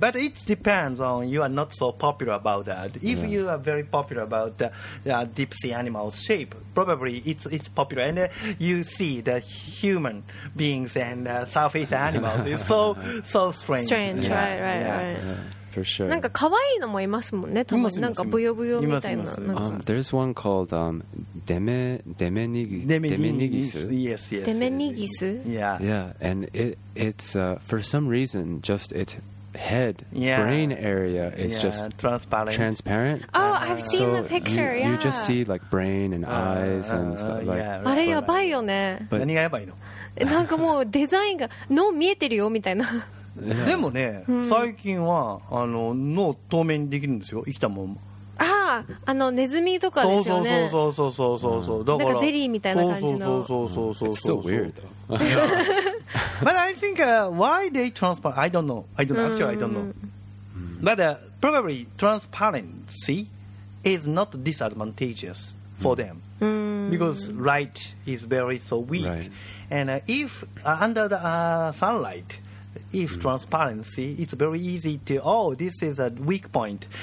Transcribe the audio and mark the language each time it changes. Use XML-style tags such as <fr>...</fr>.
<en>But it depends on you are not so popular about that. If you are very popular about the deep sea animal's shape, probably it's popular. And you see the human beings and surface animals. It's so strange. Strange, right. Sure.</en> <ja>なんか可愛いのもいますもんね。たまになんかブヨブヨみたいな。</ja> <en>There's one called デメニギス。 Yes.</en> <ja>デメニギス。</ja> <en>Yeah. Yeah. And it's for some reason just its head, yeah. brain area is yeah. just transparent. Oh, I've seen so the picture, you, yeah. You just see like brain and eyes and stuff like</en> <ja>that. あれやばいよね。何がやばいの？なんかもうデザインが脳見えてるよみたいな。でもね、最近はあの脳透明にできるんですよ、生きたもん。あのネズミとかですよね。そうそうそうそうそうそう、だからゼリーみたいな感じの。そうそうそうそうそうそう。</ja> <en>It's still weird though. But I think why they transparent, I don't know. I don't actually, I don't know. But probably transparency is not disadvantageous for them because light is very so weak. And if under the sunlight. If transparency, it's very easy to, oh, this is a weak point.</en>